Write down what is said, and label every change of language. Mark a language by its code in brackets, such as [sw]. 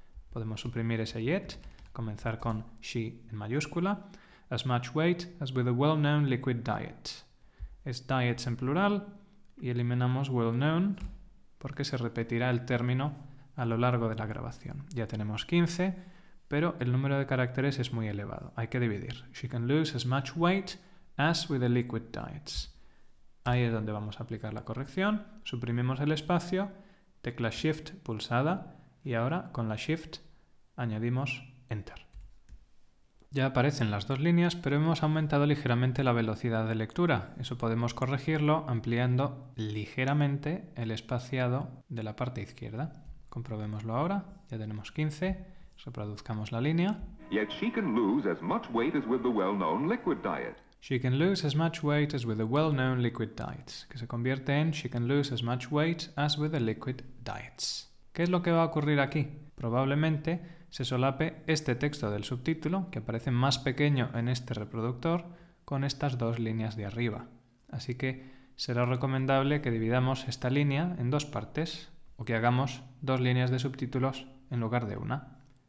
[es] Podemos suprimir ese [en] yet, [es] comenzar con [en] she [es] en mayúscula, [en] as much weight as with a well-known liquid diet. [es] Es diets en plural y eliminamos well-known porque se repetirá el término a lo largo de la grabación. Ya tenemos 15, pero el número de caracteres es muy elevado. Hay que dividir. [en] She can lose as much weight as with the liquid diets. [es] Ahí es donde vamos a aplicar la corrección. Suprimimos el espacio, tecla Shift pulsada, y ahora con la Shift añadimos Enter. Ya aparecen las dos líneas, pero hemos aumentado ligeramente la velocidad de lectura. Eso podemos corregirlo ampliando ligeramente el espaciado de la parte izquierda. Comprobémoslo ahora. Ya tenemos 15. Reproduzcamos la línea. [en] Yet she can lose as much weight as with the well-known liquid diet. She can lose as much weight as with the well-known liquid diets. [es] Que se convierte en [en] she can lose as much weight as with the liquid diets. [es] ¿Qué es lo que va a ocurrir aquí? Probablemente se solape este texto del subtítulo, que aparece más pequeño en este reproductor, con estas dos líneas de arriba. Así que será recomendable que dividamos esta línea en dos partes, o que hagamos dos líneas de subtítulos en lugar de una.